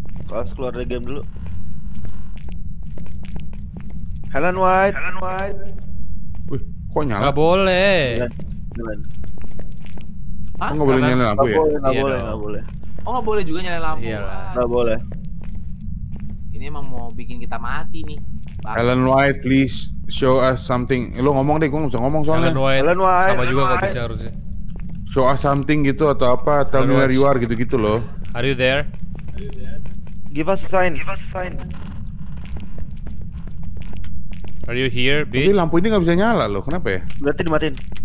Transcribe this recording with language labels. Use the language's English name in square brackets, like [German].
[Indonesian] Harus keluar dari game dulu. [English] Helen White. [Indonesian] Wih, kok nyala? Nggak boleh. Jalan. Ah, enggak boleh nyalain lampu ya? Enggak boleh. Oh, enggak boleh juga nyalain lampu. Enggak boleh. Ini emang mau bikin kita mati nih. [English] Helen White, please show us something. [Indonesian] Lo ngomong deh, gua enggak bisa ngomong soalnya. [English] Helen White. [Indonesian] Sama juga enggak bisa harusnya. [English] Show us something [Indonesian] gitu atau apa? [English] Tell me where you are [Indonesian] gitu-gitu loh. [English] Are you there? Give us a sign. Are you here, bitch? [Indonesian] Tapi lampu ini enggak bisa nyala loh. Kenapa ya? Berarti dimatiin.